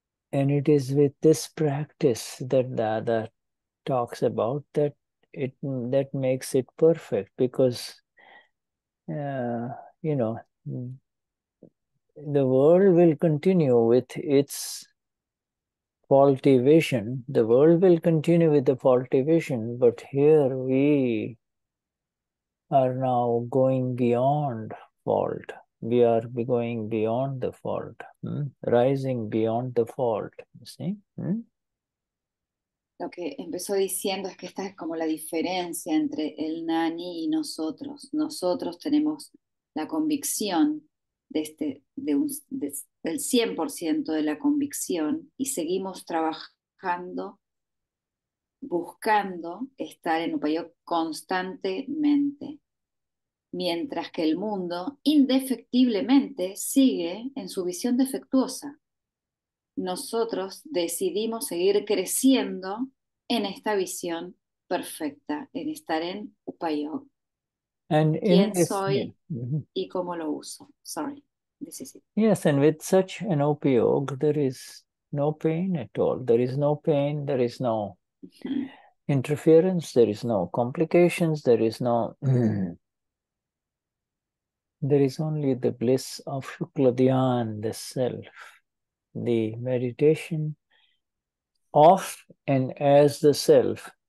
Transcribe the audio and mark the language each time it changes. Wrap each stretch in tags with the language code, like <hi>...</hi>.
<en>And it is with this practice that Dada talks about that it that makes it perfect, because you know, the world will continue with its faulty vision. The world will continue with the faulty vision, but here we are now going beyond fault. We are going beyond the fault, rising beyond the fault, you see?</en> <es>Lo que empezó diciendo es que esta es como la diferencia entre el Nani y nosotros. Nosotros tenemos la convicción del 100% de la convicción y seguimos trabajando, buscando estar en Upayoga constantemente. Mientras que el mundo indefectiblemente sigue en su visión defectuosa. Nosotros decidimos seguir creciendo en esta visión perfecta, en estar en Upayoga.</es> <en>And</en> <es>¿quién</es> <en>in this,</en> <es>soy y cómo lo uso?</es> <en>Sorry, this is it. Yes, and with such an Upayoga, there is no pain at all. There is no pain, there is no... interference, there is no complications, there is no there is only the bliss of Shukla Dhyan, the self, the meditation of and as the self.</en>